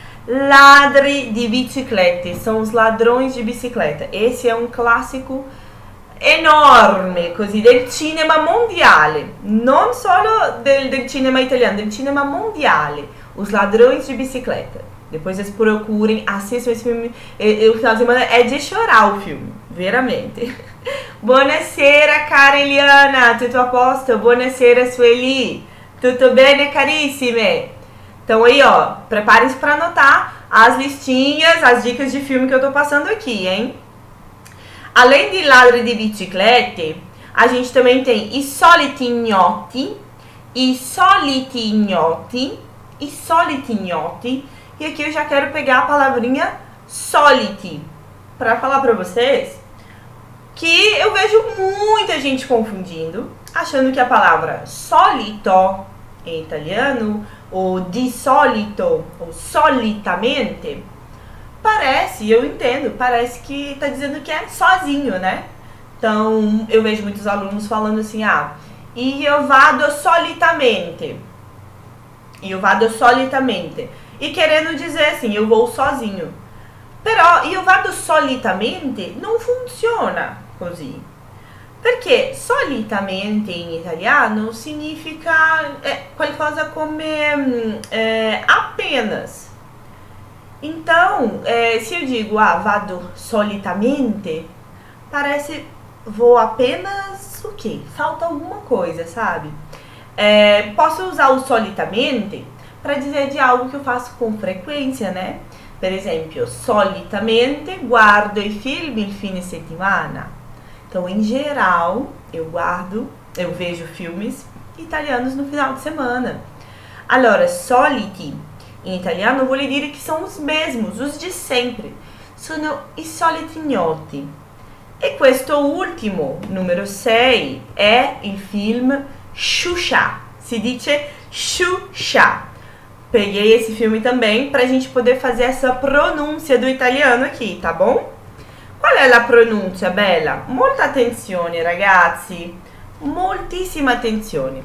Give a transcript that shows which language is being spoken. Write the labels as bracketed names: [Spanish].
[Italian] Ladri di biciclette, sono i ladrones di bicicletta. Esse è un classico enorme, così, del cinema mondiale. Non solo del cinema italiano, del cinema mondiale. [Portuguese] Os ladrones di bicicletta. Depois vocês procurem, assistam esse filme. O final de semana é de chorar o filme, veramente. [Italian] Buonasera cara Eliana, tutto a posto? Buonasera Sueli, tutto bene carissime? [Portuguese] Então aí ó, preparem-se para anotar as listinhas, as dicas de filme que eu tô passando aqui, hein? Além de Ladri di Biciclette, a gente também tem I Soliti Ignoti, I Soliti Ignoti, I Soliti Ignoti, e aqui eu já quero pegar a palavrinha soliti para falar para vocês. Que eu vejo muita muita gente confundindo, achando que a palavra solito em italiano, ou di solito, ou solitamente, parece, eu entendo, parece que tá dizendo que é sozinho, né? Então, eu vejo muitos alunos falando assim, ah, [Italian] io vado solitamente. Io vado solitamente. [Portuguese] E querendo dizer assim, eu vou sozinho. [Italian] Però, io vado solitamente [Portuguese] não funciona [Italian] così. Perché solitamente in italiano significa qualcosa come apenas. [Portuguese] Então, se eu digo, ah, [Italian] vado solitamente, [Portuguese] parece, vou apenas, o quê? Falta alguma coisa, sabe? Posso usar o solitamente para dizer de algo que eu faço com frequência, né? [Italian] Per esempio, solitamente guardo i film il fine settimana. [Portuguese] Então, em geral, eu vejo filmes italianos no final de semana. [Italian] Allora, soliti. In italiano vuol dire che sono [Portuguese] os mesmos, os de sempre. [Italian] Sono i soliti gnoti. E questo ultimo, numero 6, è il film Xuxa. Si dice Xuxa. [Portuguese] Peguei esse filme também pra gente poder fazer essa pronúncia do italiano aqui, tá bom? [Italian] Qual è la pronúncia, Bella? Molta attenzione, ragazzi. Moltissima attenzione.